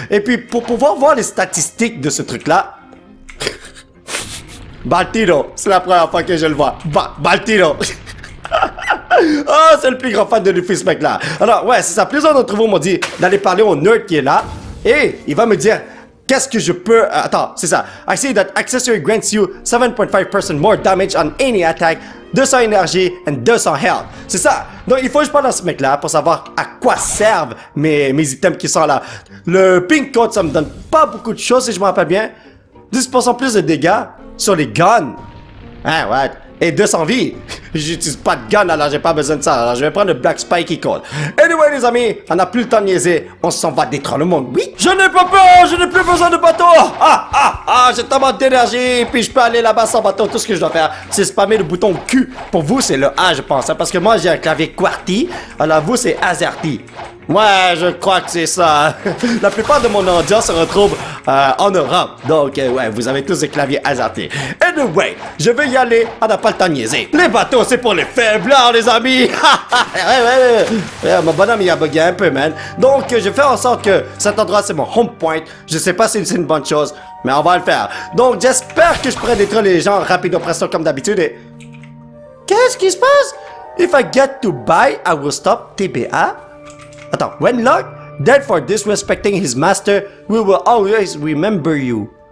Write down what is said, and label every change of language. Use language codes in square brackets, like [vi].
[fr] Et puis, pour pouvoir voir les statistiques de ce truc là, Baltiro, c'est la première fois que je le vois. Baltiro. Oh, c'est le plus grand fan de Luffy, ce mec-là. Alors, ouais, c'est ça. Plusieurs d'entre vous m'ont dit d'aller parler au nerd qui est là. Et il va me dire qu'est-ce que je peux... Attends, c'est ça. [en] I see that accessory grants you 7.5% more damage on any attack, 200 énergie and 200 health. [fr] C'est ça. Donc, il faut que je parle à ce mec-là pour savoir à quoi servent mes items qui sont là. Le pink code, ça me donne pas beaucoup de choses, si je me rappelle bien. 10% plus de dégâts sur les guns. Hein, ouais. Et 200 vies. J'utilise pas de guns, alors j'ai pas besoin de ça. Alors je vais prendre le Black Spiky Code. Anyway, les amis, on n'a plus le temps de niaiser. On s'en va détruire le monde. Oui. Je n'ai pas peur. Je n'ai plus besoin de bateau. Ah, ah, ah. J'ai tellement d'énergie. Puis je peux aller là-bas sans bateau. Tout ce que je dois faire, c'est spammer le bouton Q. Pour vous, c'est le A, je pense. Hein, parce que moi, j'ai un clavier QWERTY. Alors vous, c'est AZERTY. Ouais, je crois que c'est ça. La plupart de mon audience se retrouve en Europe. Donc, ouais, vous avez tous des claviers hasardés. Anyway, je vais y aller. On n'a pas le temps de niaiser. Les bateaux, c'est pour les faibles, les amis. Ouais, ouais, ouais. Ouais, mon bonhomme, il a bugué un peu, man. Donc, je fais en sorte que cet endroit, c'est mon home point. Je sais pas si c'est une bonne chose, mais on va le faire. Donc, j'espère que je pourrai détruire les gens rapide au pression comme d'habitude. Et... Qu'est-ce qui se passe? [en] If I get to buy, I will stop TBA. [fr] Attends, [en] Wenlock, dead for disrespecting his master, we will always remember you.